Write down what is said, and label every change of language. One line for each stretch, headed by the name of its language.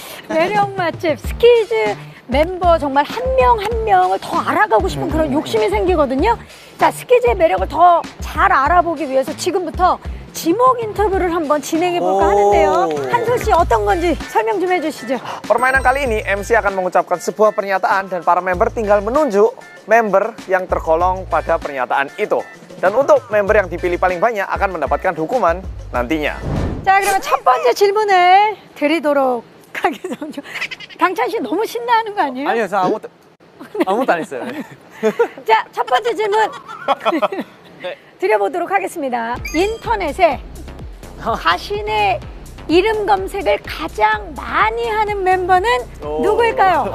Korean: 매력 맛집 스키즈 멤버 정말 한 명 한 명을 더 알아가고 싶은 그런 욕심이 생기거든요. 자, 스키즈의 매력을 더 잘 알아보기 위해서 지금부터 지목 인터뷰를 한번 진행해볼까 하는데요. 한솔 씨 어떤 건지 설명 좀 해주시죠.
Indonesian: Permainan kali ini MC akan mengucapkan sebuah pernyataan dan para member tinggal menunjuk member yang tergolong pada pernyataan itu. Dan untuk member yang dipilih paling banyak akan mendapatkan hukuman nantinya.
Korean: 자, 그러면 첫 번째 질문을 드리도록 하겠습니다. 강찬 씨 너무 신나하는 거 아니에요? 아니요, 저 아무것도 안 했어요. 자, 첫 번째 질문 드려보도록 하겠습니다. 인터넷에 자신의 이름 검색을 가장 많이 하는 멤버는 누구일까요?